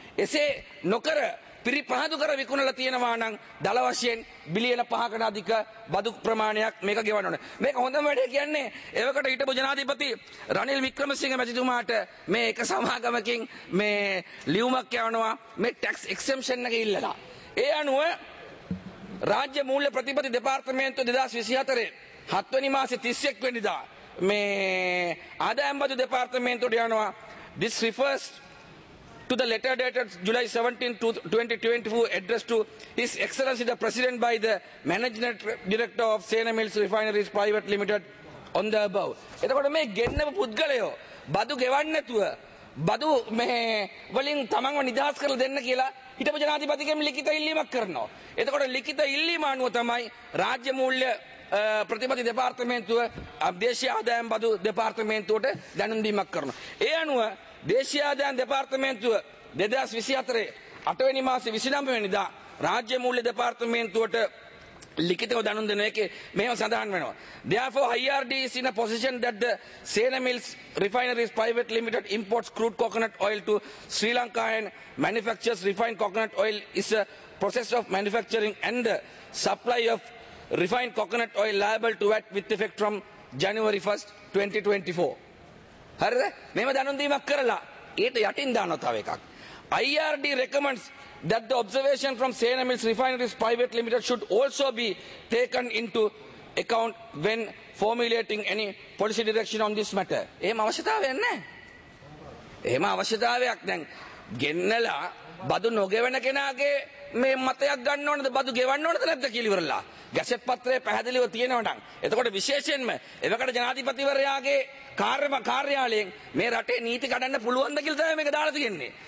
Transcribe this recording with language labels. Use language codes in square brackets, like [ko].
[si] එසේ නොකර පිරිපහදු කර විකුණලා තියෙනවා නම් දල වශයෙන් බිලියන 5කට අධික බදු ප්‍රමාණයක් මේක ගෙවන්න ඕනේ. මේක හොඳම වැඩේ කියන්නේ ඒවකට හිටපු ජනාධිපති රනිල් වික්‍රමසිංහ මැතිතුමාට මේ එක සමාගමකින් මේ ලියුමක් යවනවා මේ ටැක්ස් එක්සෙම්ෂන් එක ඉල්ලලා. ඒ අනුව රාජ්‍ය මූල්‍ය ප්‍රතිපත්ති දෙපාර්තමේන්තුව 2024 7 වෙනි මාසේ 31 වෙනිදා මේ ආදායම් බදු දෙපාර්තමේන්තුවට යවනවා [en] this refers to the letter dated July 17, 2024 addressed to His Excellency the President by the Management Director of Sena Mills Refineries Private Limited on the above. [si] එතකොට මේ ගෙන්නපු පුද්ගලයෝ බදු ගෙවන්නේ නැතුව බදු මේ වලින් තමන්ව නිදහස් කරලා දෙන්න කියලා හිටපු ජනාධිපතිගෙන් ලිඛිත ඉල්ලීමක් කරනවා. එතකොට ලිඛිත ඉල්ලීම අනුව තමයි රාජ්‍ය මූල්‍ය ප්‍රතිපත්ති දෙපාර්තමේන්තුව දේශීය ආදායම් බදු දෙපාර්තමේන්තුවට දැනුම් දීමක් කරනවා. ඒ අනුව දේශීය ආදායම් දෙපාර්තමේන්තුව 2024 8 වෙනි මාසේ 29 වෙනිදා රාජ්‍ය මූල්‍ය දෙපාර්තමේන්තුවට ලිඛිතව දැනුම් දෙන එකේ මෙහෙම සඳහන් වෙනවා. [en] Therefore IRD is in a position that the Sena Mills Refineries Private Limited imports crude coconut oil to Sri Lanka and manufactures refined coconut oil is a process of manufacturing and the supply of refined coconut oil liable to VAT with effect from January 1st, 2024. [si] Harida? Mema danun දීමක් කරලා ඊට යටින් දානවා තව එකක්. [en] IRD recommends that the observation from Sena Mills Refineries Private Limited should also be taken into account when formulating any policy direction on this matter. [si] එහෙම අවශ්‍යතාවයක් නැහැ. එහෙම අවශ්‍යතාවයක් දැන් ගෙන්නලා බදු නොගෙවන කෙනාගේ මේ මතයක් ගන්න ඕනද බදු ගෙවන්න ඕනද නැද්ද කියලා ඉවරලා. ගැසට් පත්‍රයේ පැහැදිලිව තියෙනවනම් එතකොට විශේෂයෙන්ම එවකට ජනාධිපතිවරයාගේ කාර්යාලයෙන් මේ රටේ නීති ගඩන්න පුළුවන්ද කියලා තමයි මේක දාලා තියෙන්නේ.